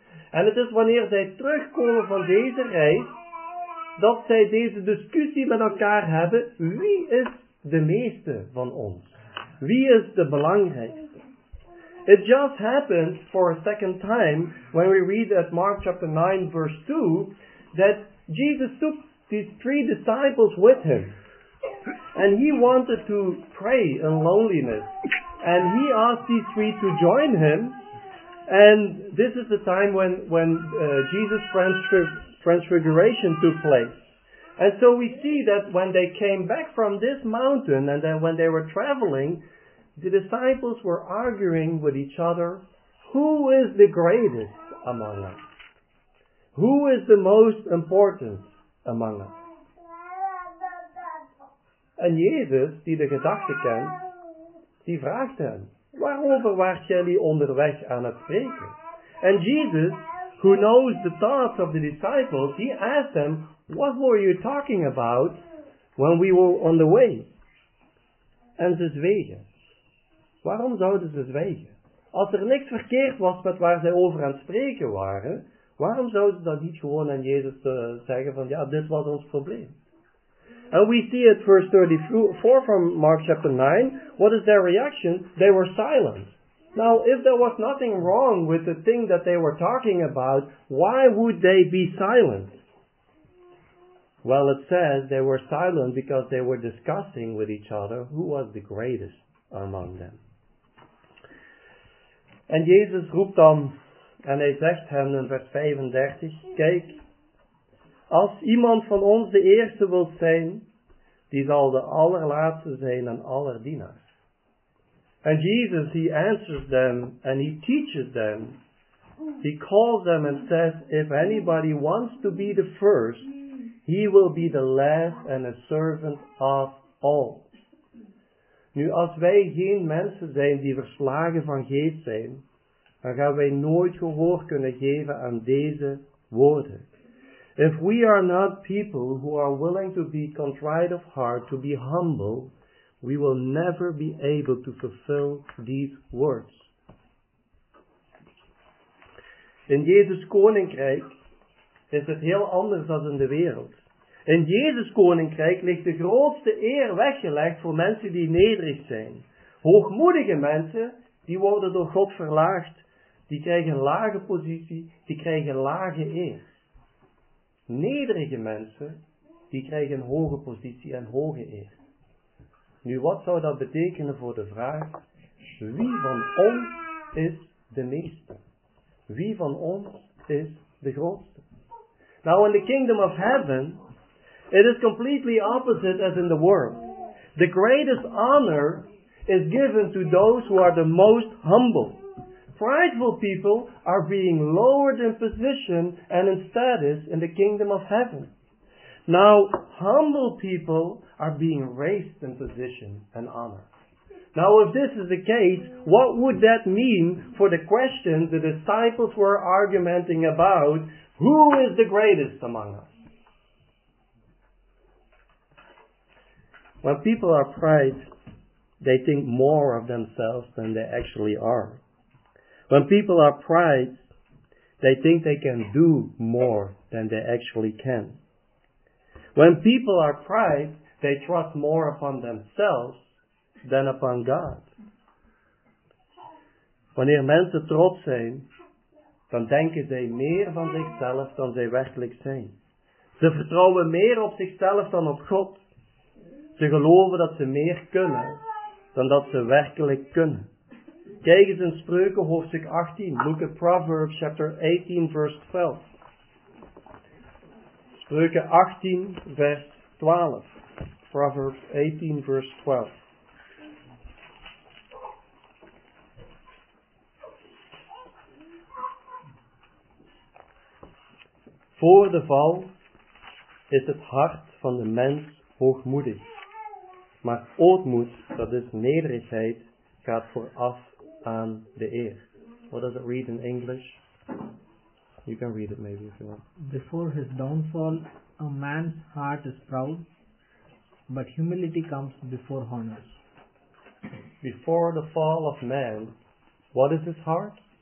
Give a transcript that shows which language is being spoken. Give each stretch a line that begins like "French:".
Dutch: En het is wanneer zij terugkomen van deze reis, dat zij deze discussie met elkaar hebben, wie is de meeste van ons. Wie is de belangrijkste?
English: It just happened for a second time when we read at Mark chapter 9 verse 2 that Jesus took these 3 disciples with him and he wanted to pray in loneliness and he asked these 3 to join him and this is the time when Jesus' transfiguration took place. And so we see that when they came back from this mountain and then when they were traveling, the disciples were arguing with each other, who is the greatest among us? Who is the most important among us?
Dutch: En Jezus, die de gedachte kent, die vraagt hen, waarover waart jullie onderweg aan het spreken?
English: And Jesus, who knows the thoughts of the disciples, he asked them, what were you talking about when we were on the way?
Dutch: En ze zwegen. Waarom zouden ze zwijgen? Als er niks verkeerd was met waar zij over aan het spreken waren, waarom zouden ze dan niet gewoon aan Jezus zeggen van, ja, dit was ons probleem?
English: And we see at verse 34 from Mark chapter 9, what is their reaction? They were silent. Now, if there was nothing wrong with the thing that they were talking about, why would they be silent? Well, it says they were silent because they were discussing with each other who was the greatest among them.
Dutch: En Jezus roept dan, en hij zegt hen in vers 35, kijk, als iemand van ons de eerste wil zijn, die zal de allerlaatste zijn en aller dienaars.
English: And Jesus, he answers them and he teaches them. He calls them and says, if anybody wants to be the first, he will be the last and a servant of all.
Dutch: Nu, als wij geen mensen zijn die verslagen van geest zijn, dan gaan wij nooit gehoor kunnen geven aan deze woorden.
English: If we are not people who are willing to be contrite of heart, to be humble, we will never be able to fulfill these words.
Dutch: In Jezus Koninkrijk is het heel anders dan in de wereld. In Jezus Koninkrijk ligt de grootste eer weggelegd voor mensen die nederig zijn. Hoogmoedige mensen, die worden door God verlaagd. Die krijgen een lage positie, die krijgen een lage eer. Nederige mensen, die krijgen een hoge positie en hoge eer. Nu, wat zou dat betekenen voor de vraag, wie van ons is de meeste? Wie van ons is de grootste?
English: Now, in the kingdom of heaven, it is completely opposite as in the world. The greatest honor is given to those who are the most humble. Prideful people are being lowered in position and in status in the kingdom of heaven. Now, humble people are being raised in position and honor. Now, if this is the case, what would that mean for the question the disciples were argumenting about? Who is the greatest among us? When people are pride, they think more of themselves than they actually are. When people are pride, they think they can do more than they actually can. When people are pride, they trust more upon themselves than upon God.
Dutch: Wanneer mensen trots zijn, dan denken zij meer van zichzelf dan zij werkelijk zijn. Ze vertrouwen meer op zichzelf dan op God. Ze geloven dat ze meer kunnen dan dat ze werkelijk kunnen. Kijk eens in Spreuken hoofdstuk 18.
English: Look at Proverbs chapter 18 verse 12.
Dutch: Spreuken 18 vers 12.
English: Proverbs 18 verse 12.
Dutch: Voor de val is het hart van de mens hoogmoedig. Maar ootmoed, dat is nederigheid, gaat vooraf aan de eer.
English: What does it read in English? You can read it maybe if you want. Before his downfall, a man's heart is proud, but humility comes before honor. Before the fall of man, what is his heart?